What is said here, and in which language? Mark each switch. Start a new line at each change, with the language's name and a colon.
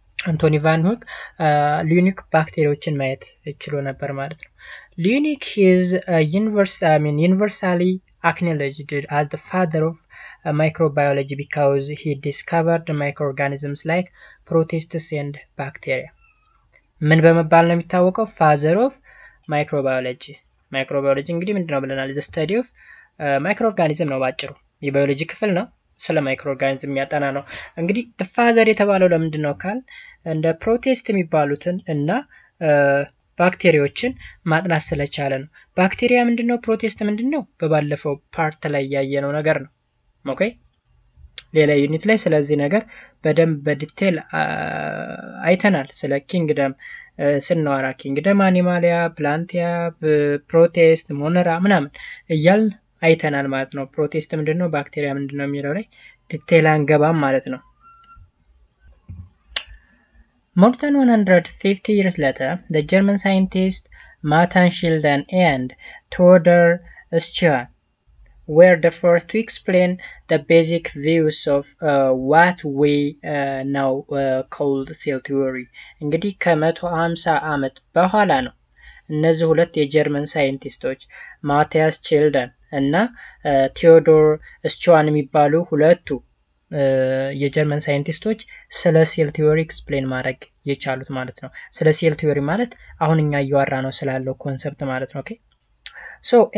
Amharic: አንቶኒ ቫን ሁክ ሊዩኒክ ባክቴሪያዎችን ማየት ችሎ ነበር ማለት ነው።
English: ሊዩኒክ ሂዝ ዩኒቨርሳሊ acknowledged as the father of microbiology because he discovered microorganisms like protists and bacteria.
Amharic: ምን በመባል ነው የሚታወቀው?
English: Father of microbiology.
Amharic: Microbiology እንግዲህ ምንድን ነው ብለናል?
English: The study of microorganism
Amharic: ነው ባጭሩ። የባዮሎጂ ክፍል ነው፣ ስለ microorganism የሚያጠና ነው። እንግዲህ the father የተባለው ለምንድን ነው ካል እንደ protist የሚባሉትን እና ባክቴሪያዎችን ማጥናት ስለቻለ ነው። ባክቴሪያ ምንድነው? ፕሮቴስት ምንድነው? በባለፈው ፓርት ላይ ያየነው ነገር ነው። ኦኬ፣ ሌላ ዩኒት ላይ ስለዚህ ነገር በደንብ በዲቴል አይተናል። ስለ ኪንግደም ስናወራ ኪንግደም አኒማሊያ፣ ፕላንቲያ፣ ፕሮቴስት፣ ሞነራ ምናምን እያል አይተናል ማለት ነው። ፕሮቴስት ምንድነው? ባክቴሪያ ምንድነው የሚለው ላይ ዲቴል አንገባም ማለት ነው።
English: More than 150 years later, the German scientists Martin Schilden and Theodor Schön were the first to explain the basic views of what we now call cell theory.
Amharic: እንግዲህ ከ150 ዓመት በኋላ ነው እነዚህ ሁለት የጀርመን ሳይንቲስቶች ማቲያስ ቺልደን እና ቴዎዶር ስቹዋን የሚባሉ ሁለቱ የጀርመን ሳይንቲስቶች ስለ ሴል ቲዮሪ ኤክስፕሌን ማድረግ የቻሉት ማለት ነው። ስለ ሴል ቲዮሪ ማለት አሁን እኛ እያወራ ነው ስላለው ኮንሰፕት ማለት ነው። ኦኬ ሶ